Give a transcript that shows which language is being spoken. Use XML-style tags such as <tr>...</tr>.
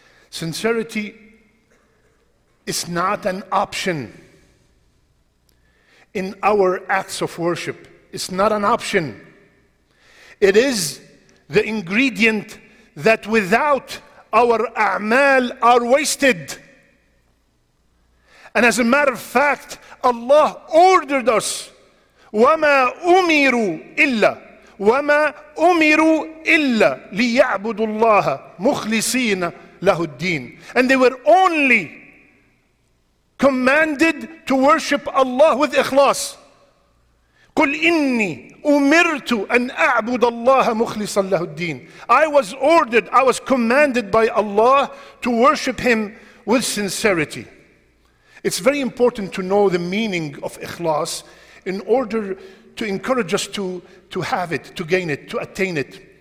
<en>Sincerity is not an option in our acts of worship. It's not an option. It is the ingredient that without our a'mal are wasted. And as a matter of fact, Allah ordered us,</en> <ar>وَمَا أُمِيرُوا إِلَّا وَمَا أُمِرُوا إِلَّا لِيَعْبُدُ اللَّهَ مُخْلِصِينَ لَهُ الدِّينَ.</ar> <en>And they were only commanded to worship Allah with ikhlas.</en> <ar>قل إني أمرت أن أعبد الله مخلصا له الدين.</ar> <en>I was ordered, I was commanded by Allah to worship him with sincerity. It's very important to know the meaning of ikhlas in order to encourage us to have it, to gain it, to attain it.</en>